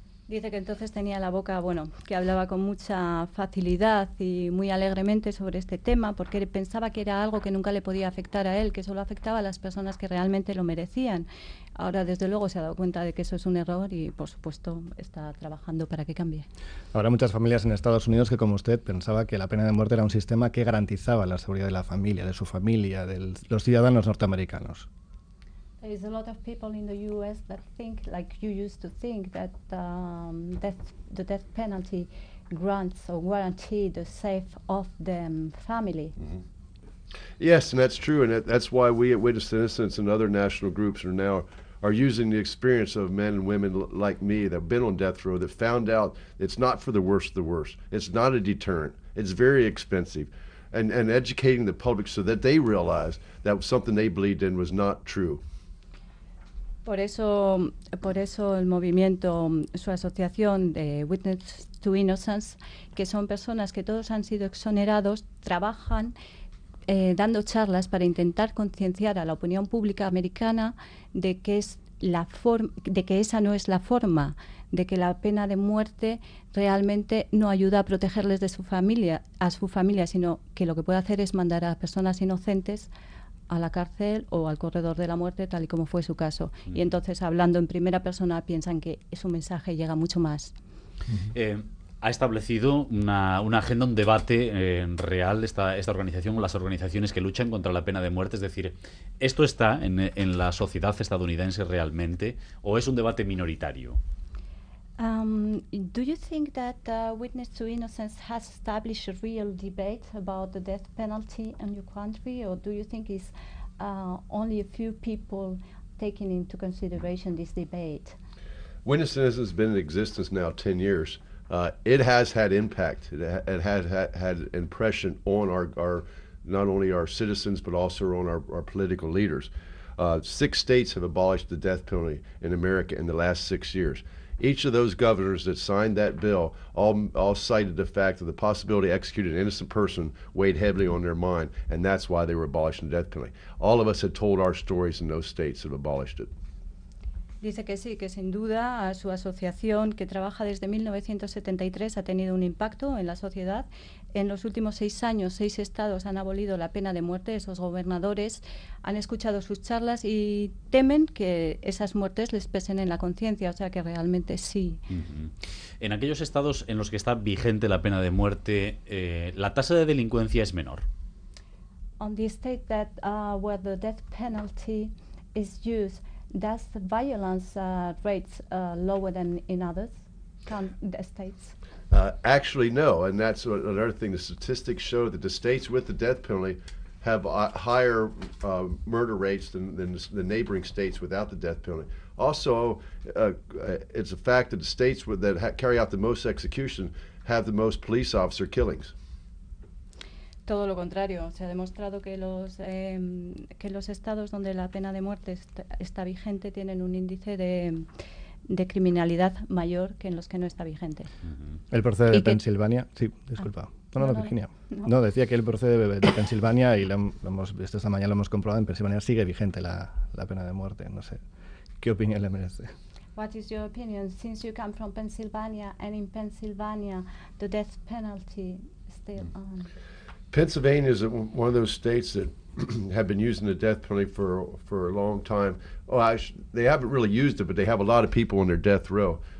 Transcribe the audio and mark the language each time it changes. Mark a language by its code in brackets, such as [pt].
[es] Dice que entonces tenía la boca, bueno, que hablaba con mucha facilidad y muy alegremente sobre este tema porque pensaba que era algo que nunca le podía afectar a él, que solo afectaba a las personas que realmente lo merecían. Ahora, desde luego, se ha dado cuenta de que eso es un error y, por supuesto, está trabajando para que cambie. Habrá muchas familias en Estados Unidos que, como usted, pensaba que la pena de muerte era un sistema que garantizaba la seguridad de la familia, de su familia, de los ciudadanos norteamericanos. [en] There is a lot of people in the U.S. that think, like you used to think, that the death penalty grants or guarantees the safe of the family. Mm-hmm. Yes, and that's true, and that's why we at Witness Innocence and other national groups are now are using the experience of men and women like me that have been on death row that found out it's not for the worst of the worst. It's not a deterrent. It's very expensive. And educating the public so that they realize that something they believed in was not true. [es] Por eso el movimiento, su asociación de Witness to Innocence, que son personas que todos han sido exonerados, trabajan dando charlas para intentar concienciar a la opinión pública americana de que es la de que esa no es la forma, de que la pena de muerte realmente no ayuda a protegerles de su familia, a su familia, sino que lo que puede hacer es mandar a personas inocentes a la cárcel o al corredor de la muerte, tal y como fue su caso. Mm-hmm. Y entonces, hablando en primera persona, piensan que su mensaje llega mucho más. Ha establecido una agenda, un debate real esta organización o las organizaciones que luchan contra la pena de muerte. Es decir, ¿esto está en la sociedad estadounidense realmente o es un debate minoritario? [en] Do you think that Witness to Innocence has established a real debate about the death penalty in your country, or do you think it's only a few people taking into consideration this debate? Witness to Innocence has been in existence now 10 years. It has had impact. It has had an impression on our not only our citizens, but also on our political leaders. Six states have abolished the death penalty in America in the last 6 years. Each of those governors that signed that bill all cited the fact that the possibility to execute an innocent person weighed heavily on their mind, and that's why they were abolishing the death penalty. All of us had told our stories, and those states have abolished it. [es] Dice que sí, que sin duda a su asociación, que trabaja desde 1973, ha tenido un impacto en la sociedad. En los últimos 6 años, 6 estados han abolido la pena de muerte. Esos gobernadores han escuchado sus charlas y temen que esas muertes les pesen en la conciencia. O sea que realmente sí. Uh-huh. En aquellos estados en los que está vigente la pena de muerte, la tasa de delincuencia es menor. [en] On the state that where the death penalty is used, does the violence rates lower than in others states? Actually, no. And that's another thing. The statistics show that the states with the death penalty have higher murder rates than the neighboring states without the death penalty. Also, it's a fact that the states carry out the most executions have the most police officer killings. [es] Todo lo contrario, se ha demostrado que los estados donde la pena de muerte está vigente tienen un índice de criminalidad mayor que en los que no está vigente. Uh-huh. El procede de Pensilvania, sí, disculpa. Virginia. No, decía que el procede de Pensilvania y esta mañana lo hemos comprobado, en Pensilvania sigue vigente la pena de muerte. No sé, ¿qué opinión le merece? [en] What is your opinion? Since you come from Pennsylvania and in Pennsylvania the death penalty still on. Pennsylvania is one of those states that have been using the death penalty for a long time. They haven't really used it, but they have a lot of people on their death row.